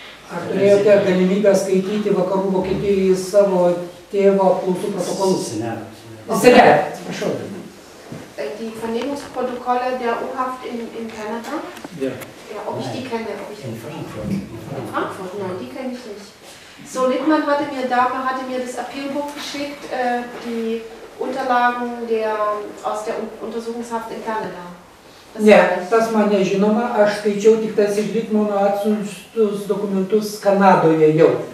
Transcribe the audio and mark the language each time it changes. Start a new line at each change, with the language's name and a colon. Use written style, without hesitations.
Lithuanian: Ar turėjote galimybę skaityti vakarų Vokietijoje savo tėvo apklausų protokolus? Senet.
German: Die Vernehmungsprotokolle der U-Haft in Kanada? Ja. Ja, ob ich die kenne? Ob ich in Frankfurt. In Frankfurt, nein, die kenne ich nicht. So, Littmann hatte mir das Appealbuch geschickt, die Unterlagen aus der Untersuchungshaft in Kanada.
Lithuanian: Ne, tas man nežinoma, aš skaičiau tik tas iš Littmano atsiunčius dokumentus Kanadoje jau.